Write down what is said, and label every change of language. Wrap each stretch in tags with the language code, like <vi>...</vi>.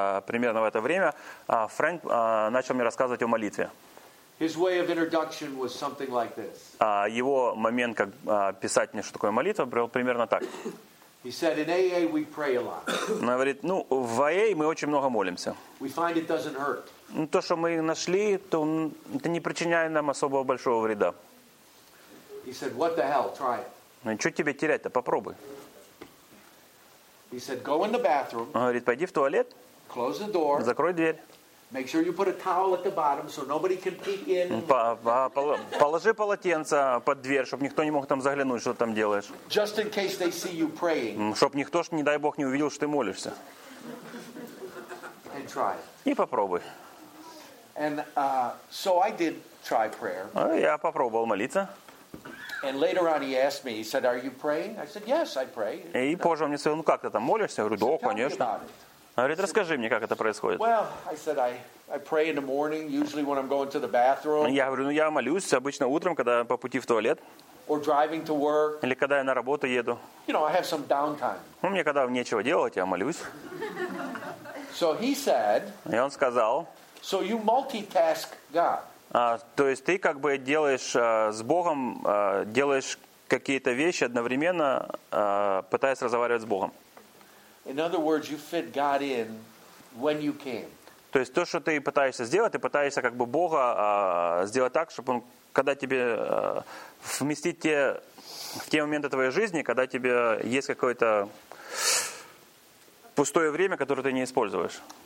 <ru>В это время Фрэнк начал мне рассказывать о молитве.</ru> <en>His way of introduction was something like this.</en> <ru>Его момент, как писать мне, что такое молитва, был примерно так.</ru> <en>He said, in AA we pray a lot.</en> <ru>Он говорит, в АА мы очень много молимся.</ru> <en>We find it doesn't hurt.</en> <ru>То, что мы нашли, то это не причиняет нам особого большого вреда.</ru> <en>He said, what the hell, try it.</en> <ru>Ну, что тебе терять-то, попробуй.</ru> <en>He said, go in the bathroom.</en> <ru>Он говорит, пойди в туалет.</ru> <en>Close the door.</en> <ru>Закрой дверь.</ru> <en>Make sure you put a towel at the bottom so nobody can peek in.</en> <ru>Положи полотенце под дверь, чтобы никто не мог там заглянуть, что там делаешь.</ru> <en>Just in case they see you praying.</en> <ru>Чтобы никто, не дай бог, не увидел, что ты молишься.</ru> <en>And try.</en> <ru>И попробуй.</ru> <en>And so I did try prayer.</en> <ru>Я попробовал молиться.</ru> <en>And later on he asked me, he said, "Are you praying?" I said, "Yes, I pray."</en> <ru>И позже он мне сказал, как ты там молишься? Я говорю, да, конечно. Она говорит, расскажи мне, как это происходит.</ru> <en>Well, I said, I pray in the morning, usually when I'm going to the bathroom.</en> <ru>Я говорю, я молюсь обычно утром, когда по пути в туалет.</ru> <en>or driving to work.</en> <ru>Или когда я на работу еду.</ru> <en>You know, I have some downtime.</en> <ru>Ну, мне когда нечего делать, я молюсь.</ru> <en>So he said.</en> <ru>И он сказал.</ru> <en>So you multitask God.</en> <ru>То есть ты как бы делаешь с Богом, делаешь какие-то вещи одновременно, пытаясь разговаривать с Богом.</ru> <en>In other words, you fit God in when you can.</en> <ru>То есть то, что ты пытаешься сделать, ты пытаешься как бы Бога сделать так, чтобы он, когда тебе вместить те, в те моменты твоей жизни, когда тебе есть какое-то пустое время, которое ты не используешь.</ru>